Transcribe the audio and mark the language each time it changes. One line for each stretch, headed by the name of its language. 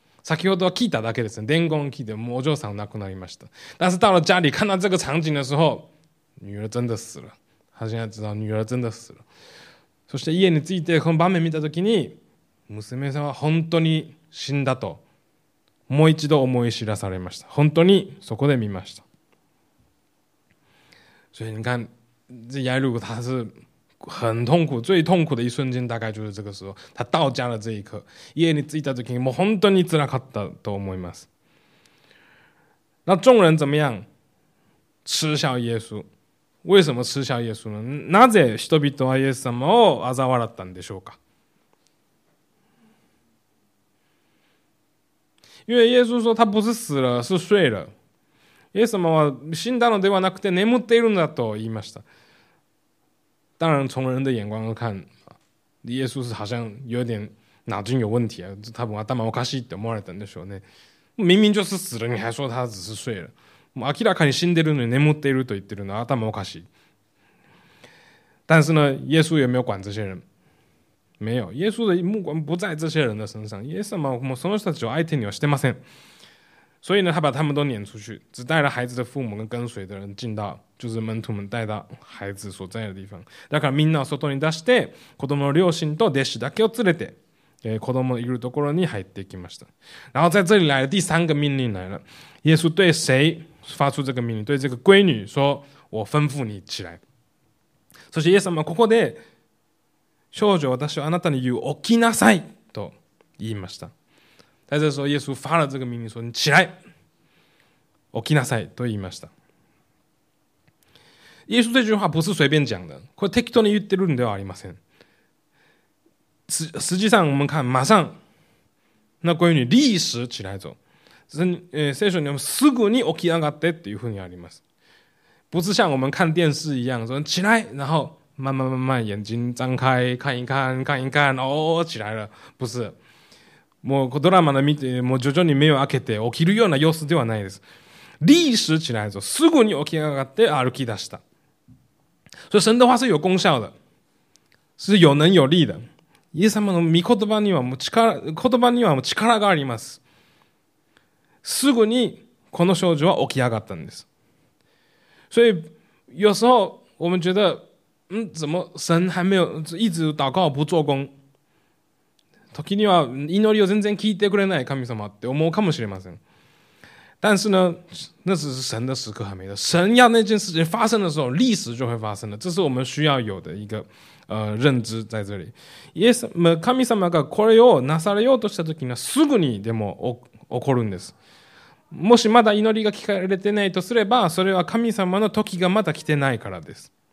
Japanese: 先ほどは聞いただけですね。伝言聞いて、もうお嬢さんは亡くなりました。
Chinese: 但是到了家里看到这个场景的时候，女儿真的死了。他现在知道女儿真的死了。
Japanese: そして家についてこの場面見たときに、娘さんは本当に死んだと、もう一度思い知らされました。本当にそこで見ました。
Chinese: 所以你看，这雅鲁他是很痛苦，最痛苦的一瞬间大概就是这个时候，他到家的这一刻。
Japanese: 家に着いた時にもう本当に辛かったと思います。
Chinese: 那众人怎么样？嗤笑耶稣。为什么嗤笑耶稣呢？
Japanese: なぜ人々はイエス様を嘲笑ったんでしょうか？
Chinese: 因为耶稣说他不是死了，是睡了。
Japanese: イエス様は死んだのではなくて眠っているんだと言いました。
Chinese: 当然从人的眼光看，耶稣是好像有点脑筋有问题啊，他把大毛卡西的摸了等的时候呢，明明就是死了，你还说他只是睡了，
Japanese: もう明らかに死んでるのに眠っていると言ってるの、頭おかしい。
Chinese: 但是呢，耶稣有没有管这些人？没有，耶稣的目光不在这些人的身上，耶稣嘛，
Japanese: もうその人たちを相手にはしてません。
Chinese: 所以呢，他把他们都撵出去，只带了孩子的父母跟跟随的人进到，就是门徒们带到孩子所在的地方。
Japanese: だからみんなを外に出して、子供の両親と弟子だけを連れて、子供のいるところに入っていきました。
Chinese: 然后在这里来的第三个命令来了，耶稣对谁发出这个命令？对这个闺女说：“我吩咐你起来。”
Japanese: そしてイエス様はここで、少女、私はあなたに言う、起きなさいと言いました。
Chinese: 在这时候，耶稣发了这个命令，说：“你起来，
Japanese: 起きなさい。” と言いました。
Chinese: 耶稣这句话不是随便讲的，
Japanese: これ適当に言ってるんではありません。
Chinese: 实际上，我们看，马上那闺女立时起来走。
Japanese: 聖書にもすぐに起き上がってっていうふうにあります。
Chinese: 不是像我们看电视一样，说起来，然后慢慢慢慢眼睛张开看一看看一看，哦，起来了，不是。
Japanese: もうドラマの見て、もう徐々に目を開けて起きるような様子ではないです。
Chinese: 立時起来
Japanese: ぞ、すぐに起き上がって歩き出した。
Chinese: 所以神的话是有功效的，是有能有力的。
Japanese: イエス様の御言葉にはもう力、言葉にはもう力があります。すぐにこの少女は起き上がったんです。
Chinese: 所以有时候我们觉得，怎么神还没有一直祷告不做工？
Japanese: 時には祈りを全然聞いてくれない神様って思うかもしれません。
Chinese: 但是呢，那只是神的时刻还没到。神要那件事情发生的时候，历史就会发生了。这是我们需要有的一个认知在这里。
Japanese: イエス、神様がこれをなされようとした時にはすぐにでも起こるんです。もしまだ祈りが聞かれてないとすれば、それは神様の時がまだ来てないからです。